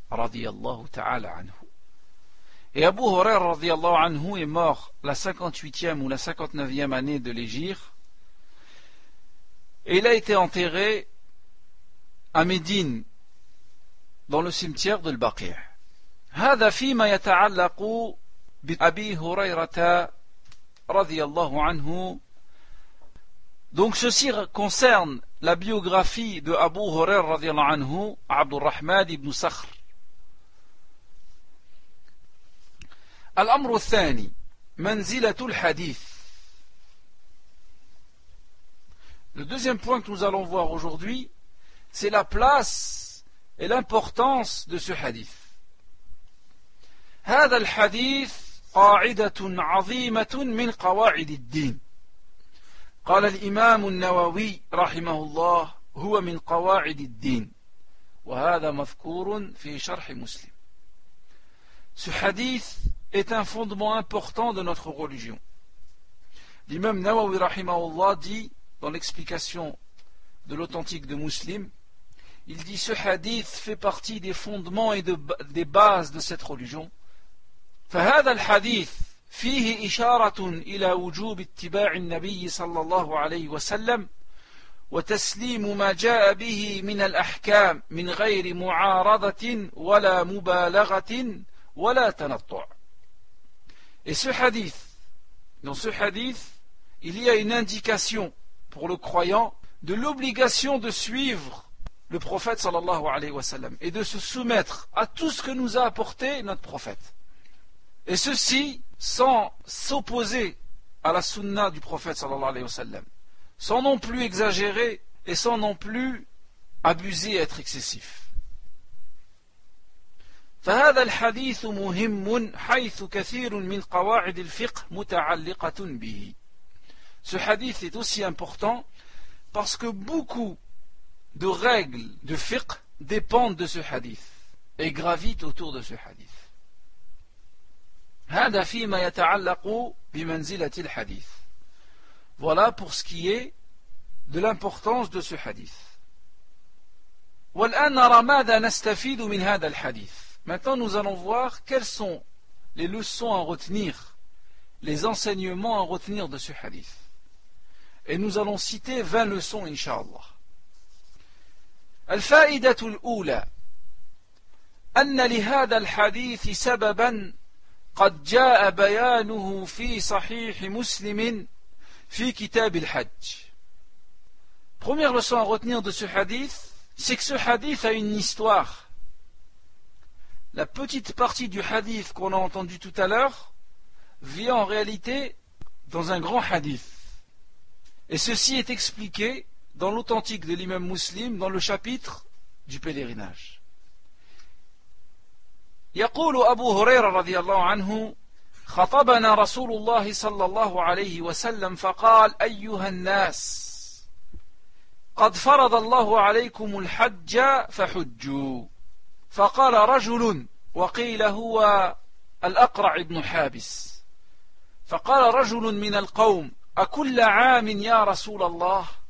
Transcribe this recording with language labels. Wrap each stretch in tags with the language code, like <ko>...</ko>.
<ar>Radiallahu ta'ala anhu.</ar> <fr>Et Abu Hurayra radiallahu anhu est mort la 58e ou la 59e année de l'Hégire. Et il a été enterré à Médine, dans le cimetière de l'Baqir.</fr> <ar>هذا فيما يتعلق بأبي هريرة رضي الله عنه.</ar> <fr>Donc ceci concerne la biographie de Abu Hurayra radiallahu anhu, Abdurrahman ibn Sakhr.</fr> <ar>الأمر الثاني منزلة الحديث.</ar> <fr>Le deuxième point que nous allons voir aujourd'hui, c'est la place et l'importance de ce hadith.</fr> <ar>هذا الحديث قاعدة عظيمة من قواعد الدين. قال الإمام النووي رحمه الله هو من قواعد الدين. وهذا مذكور في شرح مسلم.</ar> <fr>Ce hadith est un fondement important de notre religion. L'imam Nawawi rahimahullah dit, dans l'explication de l'authentique de Muslim, il dit ce hadith fait partie des fondements et des bases de cette religion.</fr> <ar>فهذا الحديث فيه إشارة إلى وجوب اتباع النبي صلى الله عليه وسلم وتسليم ما جاء به من الأحكام من غير معارضة ولا مبالغة ولا تنطع.</ar> <fr>Et ce hadith, dans ce hadith, il y a une indication pour le croyant de l'obligation de suivre le prophète sallallahu alayhi wa sallam et de se soumettre à tout ce que nous a apporté notre prophète. Et ceci sans s'opposer à la sunna du prophète sallallahu alayhi wa sallam, sans non plus exagérer et sans non plus abuser et être excessif.</fr> <ar>فهذا الحديث مهم حيث كثير من قواعد الفقه متعلقة به.</ar> <fr>Ce hadith est aussi important parce que beaucoup de règles de fiqh dépendent de ce hadith et gravitent autour de ce hadith.</fr> <ar>هذا فيما يتعلق بمنزلة الحديث.</ar> <fr>Voilà pour ce qui est de l'importance de ce hadith.</fr> <ar>والآن نرى ماذا نستفيد من هذا الحديث.</ar> <fr>Maintenant, nous allons voir quelles sont les leçons à retenir, les enseignements à retenir de ce hadith. Et nous allons citer 20 leçons, inshallah.</fr> <ar>الفائدة الأولى أن لهذا الحديث سببا قد جاء بيانه في صحيح مسلم في كتاب الحج.</ar> <fr>Première leçon à retenir de ce hadith, c'est que ce hadith a une histoire. La petite partie du hadith qu'on a entendu tout à l'heure vient en réalité dans un grand hadith. Et ceci est expliqué dans l'authentique de l'imam muslim dans le chapitre du pèlerinage.</fr> <ar>يقول أبو هريرة رضي الله عنه خطبنا رسول الله صلى الله عليه وسلم فقال أيها الناس قد فرض الله عليكم الحج فحجوا. فقال رجل وقيل هو الأقرع بن حابس فقال رجل من القوم أكل عام يا رسول الله</ar>